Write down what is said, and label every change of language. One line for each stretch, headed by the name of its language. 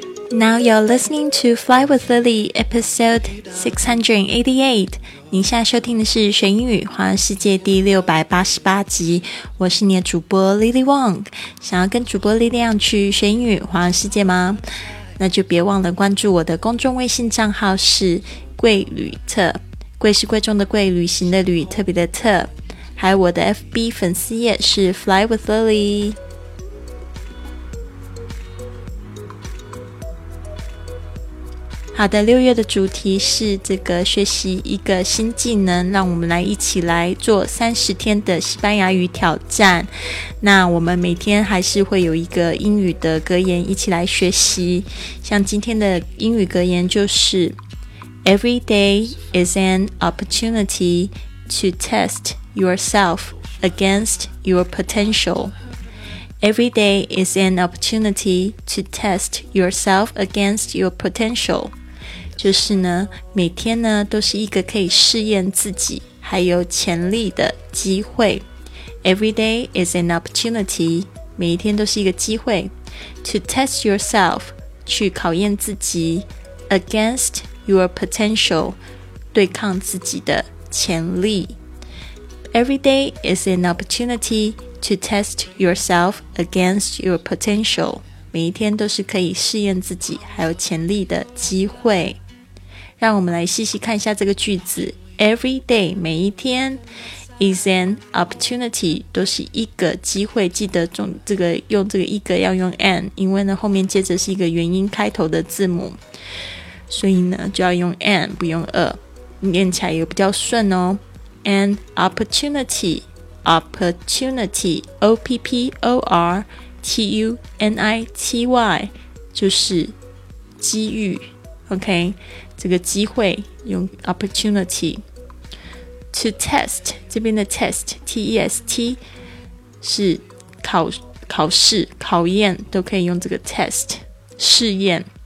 English: Now you're listening to Fly with Lily, episode 688.
Chinese: 您现在收听的是学英语环游世界第688集，我是你的主播 Lily Wong。想要跟主播力量去学英语环游世界吗？那就别忘了关注我的公众微信账号，是贵旅特，贵是贵重的贵，旅行的旅，特别的特。还有我的 FB 粉丝页是 Fly with Lily。好的，六月的主题是这个学习一个新技能，让我们来一起来做30天的西班牙语挑战。那我们每天还是会有一个英语的格言一起来学习，像今天的英语格言就是
English: Every day is an opportunity to test yourself against your potential. Every day is an opportunity to test yourself against your potential.
Chinese: 就是呢，每天呢都是一个可以试验自己还有潜力的机会。
English: Every day is an opportunity，
Chinese: 每一天都是一个机会。
English: To test yourself，
Chinese: 去考验自己。
English: Against your potential，
Chinese: 对抗自己的潜力。
English: Every day is an opportunity to test yourself against your potential，
Chinese: 每一天都是可以试验自己还有潜力的机会。让我们来细细看一下这个句子。
English: Every day，
Chinese: 每一天，
English: is an opportunity，
Chinese: 都是一个机会。记得这个用这个一个要用 an， 因为呢后面接着是一个元音开头的字母，所以呢就要用 an， 不用 a， 念起来也比较顺哦。
English: An opportunity， opportunity， opportunity，
Chinese: 就是机遇。 OK，这个机会用 opportunity。 To test， 这边的 test， T-E-S-T 是 考试考验，都可以用这个 test 试验。